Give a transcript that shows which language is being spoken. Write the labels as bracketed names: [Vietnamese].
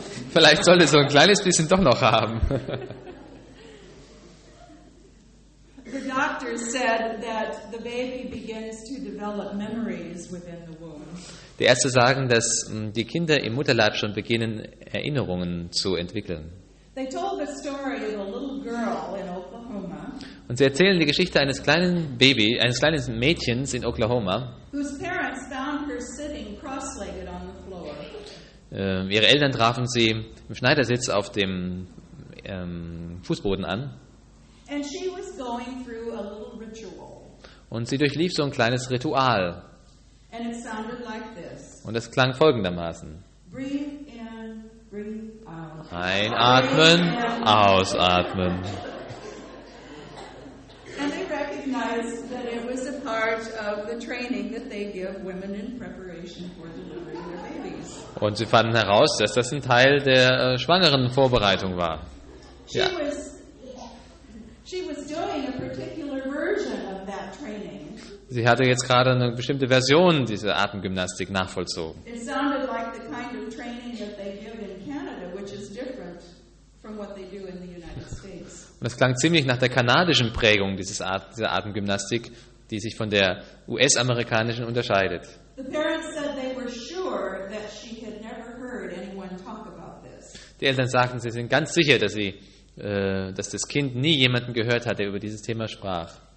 [German] Vielleicht sollte sie so ein kleines bisschen doch noch haben. [English] The doctor said that the baby begins to develop memories within the womb. [German] Die Ärzte sagen, dass die Kinder im Mutterleib schon beginnen, Erinnerungen zu entwickeln. [English] They told the story of a little girl in Oklahoma. [German] Und sie erzählen die Geschichte eines kleinen Baby, eines kleinen Mädchens in Oklahoma. [English] Whose parents found her sitting cross-legged on the floor. [German] Ihre Eltern trafen sie im Schneidersitz auf dem Fußboden an. [English] And she was going through a little ritual. [German] Und sie durchlief so ein kleines Ritual. [English] And it sounded like this. [German] Und es klang folgendermaßen. [English] Breathe in, breathe out. [German] Einatmen, ausatmen. [English] And they recognized that it was a part of the training that they give women in preparation for delivering their babies. [German] Und sie fanden heraus, dass das ein Teil der schwangeren Vorbereitung war. Ja. [English] She was doing a particular version of that training. [German] Sie hatte jetzt gerade eine bestimmte Version dieser Atemgymnastik nachvollzogen. [English] It sounded like the kind of training that they give in Canada, which is different from what they do in the United States. [German] Und es klang ziemlich nach der kanadischen Prägung dieser Atemgymnastik, die sich von der US-amerikanischen unterscheidet. [English] The parents said they were sure that she had never heard anyone talk about this. [German] Die Eltern sagten, sie sind ganz sicher, dass sie dass das Kind nie jemanden gehört hat, der über dieses Thema sprach.